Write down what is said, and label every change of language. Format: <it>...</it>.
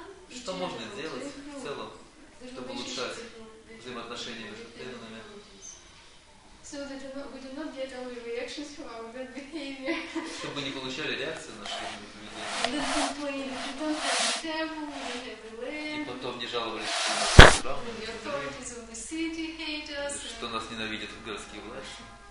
<ru>Что можно сделать в целом, чтобы улучшать взаимоотношения между преданными?</ru> <en>So that we do not get only reactions from our bad behavior.</en> <ru>Чтобы не получали реакции на наши поведения.</ru> <en>And then complain if you don't have a temple, you have a land.</en> <ru>И потом не жаловались.</ru> <en>The authorities of the city hate us.</en> <ru>Что нас ненавидят в городские власти.</ru>